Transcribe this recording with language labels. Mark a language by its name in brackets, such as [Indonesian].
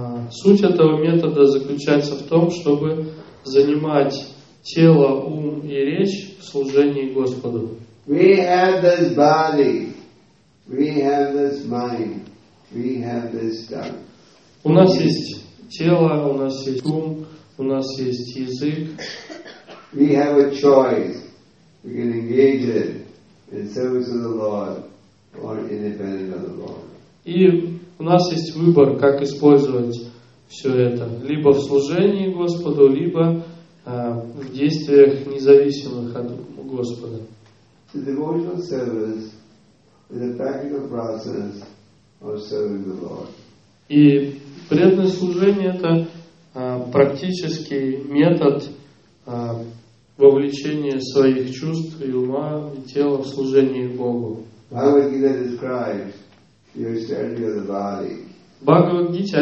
[Russian] Суть этого метода заключается в том, чтобы занимать тело, ум и речь в служении Господу. [English] We have this body, we have this mind, we have this tongue. [Russian] У нас есть тело, у нас есть ум, у нас есть язык. [English] We have a choice. We can engage it. In service of the Lord or independent of the Lord. [Russian] И у нас есть выбор, как использовать все это. Либо в служении Господу, либо в действиях, независимых от Господа. [English] The devotional service is a practical process of serving the Lord. [Russian] И преданное служение это практический метод вовлечение своих чувств и ума и тела в служение Богу. Бхагавад-гита